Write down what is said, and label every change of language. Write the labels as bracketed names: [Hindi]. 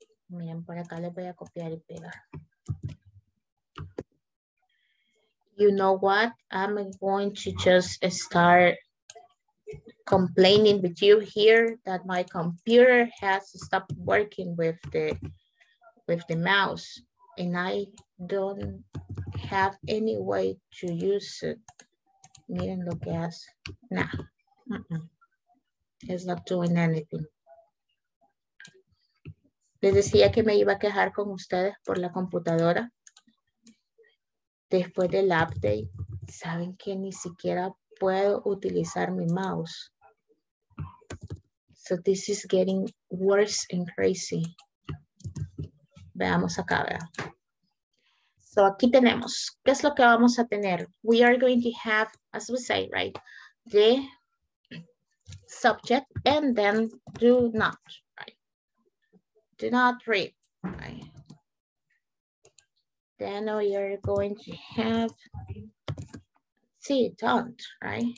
[Spanish] Miren, por acá les voy a copiar y pegar. [English] You know what? I'm going to just start complaining with you here that my computer has stopped working with the mouse, and I don't have any way to use it. [Spanish] Miren lo que hace. [English] Nah. It's not doing anything. [Spanish] Les decía que me iba a quejar con ustedes por la computadora. Después del update, saben que ni siquiera puedo utilizar mi mouse. [English] So this is getting worse and crazy. [Spanish] Veamos acá, ¿verdad? So aquí tenemos, ¿qué es lo que vamos a tener? [English] We are going to have, as we say, right, the subject and then do not, right? Do not read, right? Then we are going to have, see, don't, right?